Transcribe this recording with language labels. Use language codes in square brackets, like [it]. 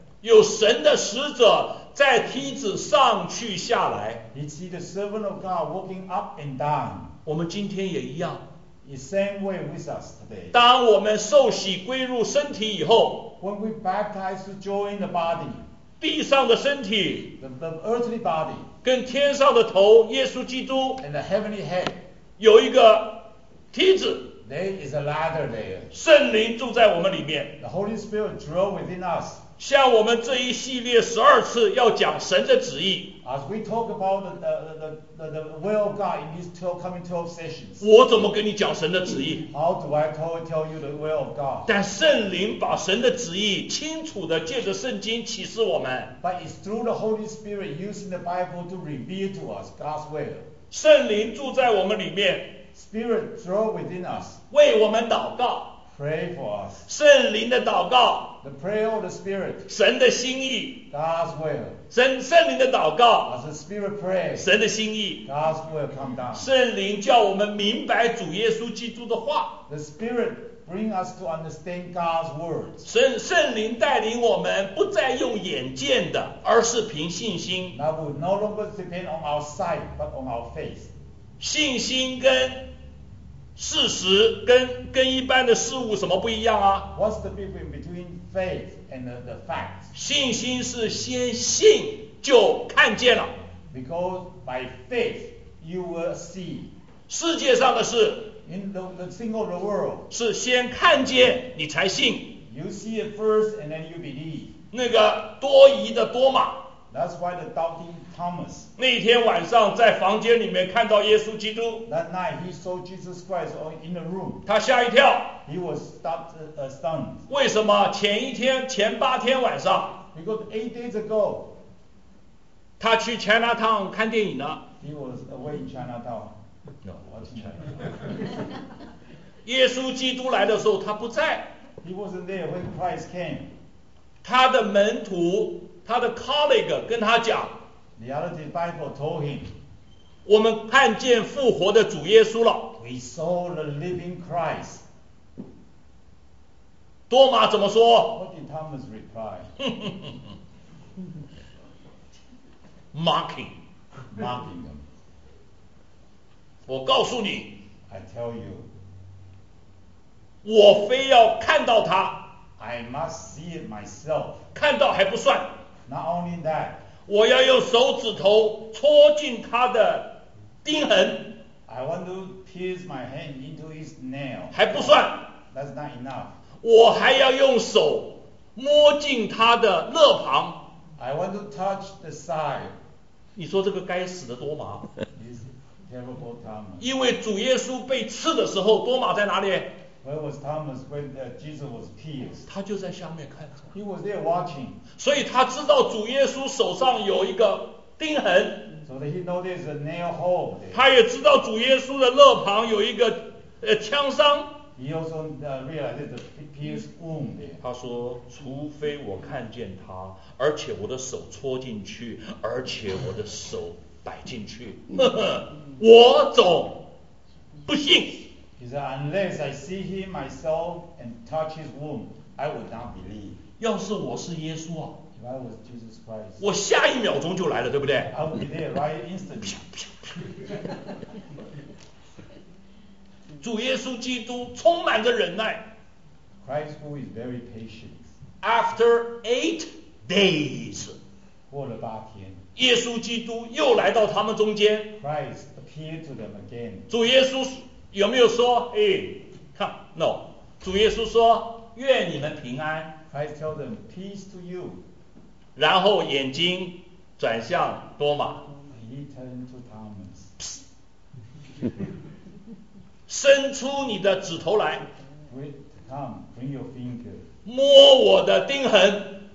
[zh] 有神的使者在梯子上去下来。 [en] He see the servant of God walking up and down. [zh] 我们今天也一样。 [en] The same way with us today. [zh] 当我们受洗归入身体以后。 [en] When we baptize to join the body. [zh] 地上的身体。 [en] The earthly body. [zh] 跟天上的头耶稣基督。 [en] And the heavenly head. [zh] 有一个梯子。 [en] There is a ladder there. [zh] 圣灵住在我们里面。 [en] The Holy Spirit dwells within us. [zh] 像我们这一系列十二次要讲神的旨意。 [en] As we talk about the will of God in these 12, coming 12 sessions. [zh] 我怎么跟你讲神的旨意？ [en] How do I tell you the will of God? [zh] 但圣灵把神的旨意清楚地借着圣经启示我们。 [en] But it's through the Holy Spirit using the Bible to reveal to us God's will. [zh] 圣灵住在我们里面。 [en] Spirit dwells within us. [zh] 为我们祷告。 [en] Pray for us. [zh] 圣灵的祷告。 [en] The prayer of the Spirit. [zh] 神的心意。 [en] God's will. [zh] 圣灵的祷告。 [en] As the Spirit prays. [zh] 神的心意。 [en] God's will come down. [zh] 圣灵叫我们明白主耶稣基督的话。 [en] The Spirit bring us to understand God's words. [zh] 圣灵带领我们不再用眼见的，而是凭信心。 [en] That will no longer depend on our sight, but on our faith. [zh] 信心跟事实跟一般的事物什么不一样啊？ [en] What's the difference between faith and the facts? [zh] 信心是先信就看见了。 [en] Because by faith you will see. [zh] 世界上的事。 [en] In the thing of the world. [zh] 是先看见你才信。 [en] You see it first and then you believe. [zh] 那个多疑的多马。 [en] That's why the doubting Thomas. [zh] 那天晚上在房间里面看到耶稣基督。 [en] That night he saw Jesus Christ in the room. [zh] 他吓一跳。 [en] He was stunned. [zh] 为什么？前八天晚上。 [en] Because 8 days ago. [zh] 他去 Chinatown 看电影呢。 [en] He was away in Chinatown. No, watching China. [zh] 耶稣基督来的时候他不在。 [en] He wasn't there when Christ came. [zh] 他的门徒。他的 colleague 跟他讲 [en] ，The other disciple told him， [zh] 我们看见复活的主耶稣了。 [en] We saw the living Christ。 [zh] 多马怎么说 [en] ？What did Thomas reply？ Mocking them。 [zh] 我告诉你 [en] ，I tell you， [zh] 我非要看到他。 [en] I must see it myself。 [zh] 看到还不算。 [en] Not only that, [zh] 我要用手指头戳进他的钉痕。 [en] I want to pierce my hand into his nail. [zh] 还不算。 [en] That's not enough. [zh] 我还要用手摸进他的肋旁。 [en] I want to touch the side. [zh] 你说这个该死的多马。 [en] This terrible Thomas. [zh] 因为主耶稣被刺的时候，多马在哪里？ [en] Where was Thomas when Jesus was pierced? [zh] 他就在下面看。 [en] He was there watching. [zh] 所以他知道主耶稣手上有一个钉痕。 [en] So that he knows there's a nail hole there. [zh] 他也知道主耶稣的肋旁有一个枪伤。 [en] He also realized the pierced wound there. [zh] 他说，除非我看见他，而且我的手戳进去，而且我的手摆进去，我总不信。 [en] He said, unless I see him myself and touch his wound, I would not believe. [zh] 要是我是耶稣啊。 [en] If I was Jesus Christ. [zh] 我下一秒钟就来了，对不对？ [en] I would be there right instantly. [zh] 主耶稣基督充满着忍耐。 [en] Christ who is very patient. After 8 days. [zh] 过了八天。耶稣基督又来到他们中间。 [en] Christ appeared to them again. [zh] 主耶稣有没有说，哎，看 ，no， 主耶稣说，愿你们平安。 [en] Christ tell them peace to you。 [zh] 然后眼睛转向多马。 [en] He turned to Thomas。 [zh] 伸出你的指头来。 [en] Come, bring your finger。 [zh] 摸我的钉痕。